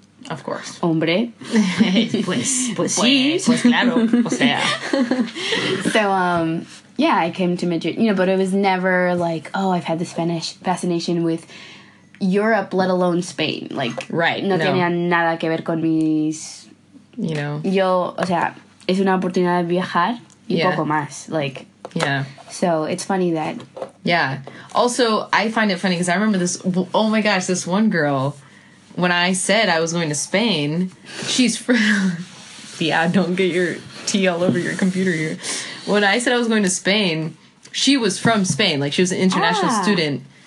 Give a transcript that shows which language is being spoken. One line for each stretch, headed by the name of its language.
English: Of course.
Spanish: Hombre. pues sí. Pues claro. O sea.
English: So, yeah, I came to Madrid, you know, but it was never like, oh, I've had this fascination with Europe, let alone Spain. Like, right.
Spanish: No tenía nada que ver con mis...
English: You know.
Spanish: Yo, o sea, es una oportunidad de viajar y poco más.
English: Like, yeah. So, it's funny that... Yeah. Also, I find it funny because I remember this... Oh, my gosh, this one girl... When I said I was going to Spain, she's from... Yeah, don't get your tea all over your computer here. When I said I was going to Spain, she was from Spain. Like, she was an international student.